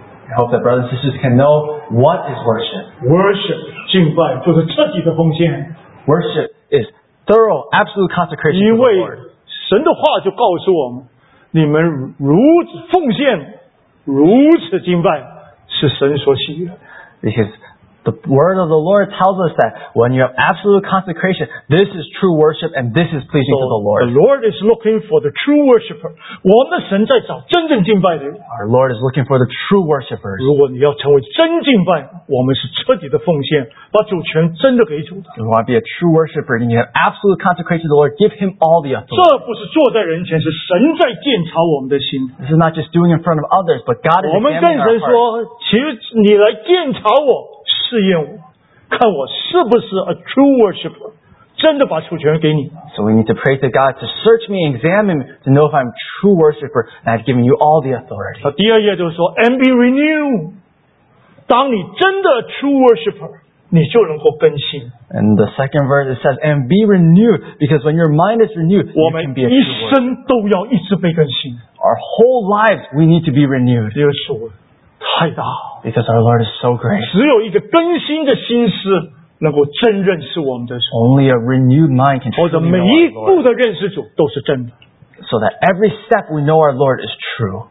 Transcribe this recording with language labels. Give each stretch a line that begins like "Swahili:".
English: I hope that brothers and sisters can know what is worship.
Chinese: Worship, 敬拜就是彻底的奉献。
English: Worship is thorough, absolute consecration.
Chinese: 因为神的话就告诉我们，你们如此奉献，如此敬拜，是神所喜悦。
English: Because the word of the Lord tells us that when you have absolute consecration, this is true worship and this is pleasing to the Lord. The Lord is looking for the true worshiper.
Chinese: 我们的神在找真正敬拜的人。
English: Our Lord is looking for the true worshipers.
Chinese: 如果你要成为真敬拜，我们是彻底的奉献，把主权真的给主的。
English: If you want to be a true worshiper, you have absolute consecration to the Lord. Give Him all the authority.
Chinese: 这不是坐在人前，是神在检查我们的心。
English: This is not just doing in front of others, but God is examining our heart.
Chinese: 我们跟神说，其实你来检查我。试验我，看我是不是
English: a true worshipper，
Chinese: 真的把主权给你。
English: So we need to pray to God to search me, examine me, to know if I'm a true worshipper, and I've given you all the authority.
Chinese: 第二页就是说 ，
English: and be renewed。
Chinese: 当你真的
English: true worshipper，
Chinese: 你就能够更新。
English: And the second verse it says, and be renewed, because when your mind is renewed, you can be a true worshipper.
Chinese: 我们一生都要一直被更新。
English: Our whole lives we need to be renewed.
Chinese: 第二处。太大
English: because our Lord is so great.
Chinese: 只有一个更新的心思能够真认识我们的主
English: Only a renewed mind can truly know our Lord.
Chinese: 或者每一步的认识主都是真的
English: So that every step we know our Lord is true.